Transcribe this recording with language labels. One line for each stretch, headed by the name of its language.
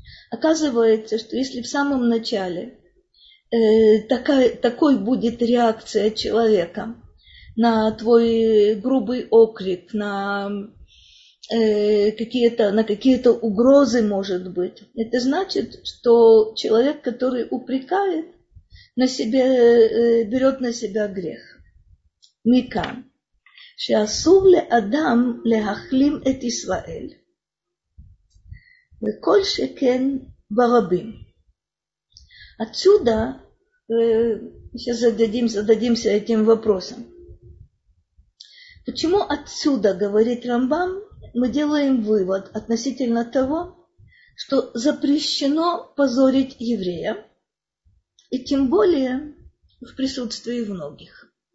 Russian: Оказывается, что если в самом начале такой будет реакция человека на твой грубый окрик, на какие-то угрозы, может быть, это значит, что человек, который упрекает, берет на себя грех.
Hebrew: Микан. שאסור לאדם להחלים את ישראל. וכל שכן ברבים.
Russian: Отсюда, сейчас зададимся этим вопросом. Почему отсюда, говорит Рамбам, мы делаем вывод относительно того, что запрещено позорить еврея, и тем более в присутствии многих.